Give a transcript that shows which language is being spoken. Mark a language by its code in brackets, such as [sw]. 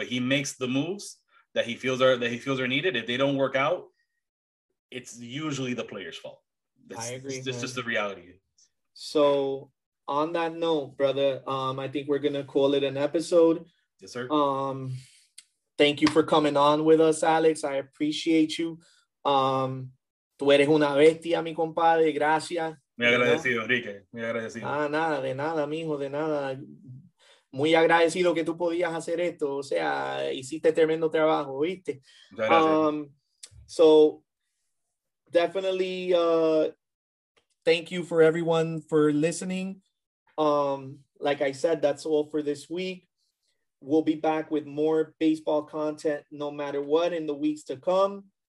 [en] But he makes the moves that he feels are needed. If they don't work out, it's usually the player's fault. I agree, man. Just the reality. So on that note, brother, I think we're going to call it an episode. Yes, sir. Thank you for coming on with us, Alex. I appreciate you. [es] Tú eres una bestia, mi compadre. Gracias. Me agradecido, Enrique. Me agradecido. Nada, de nada, mijo, de nada. Muy agradecido que tú podías hacer esto. O sea, hiciste tremendo trabajo, ¿viste? [en] So, definitely, thank you for everyone for listening. Like I said, that's all for this week. We'll be back with more baseball content no matter what in the weeks to come.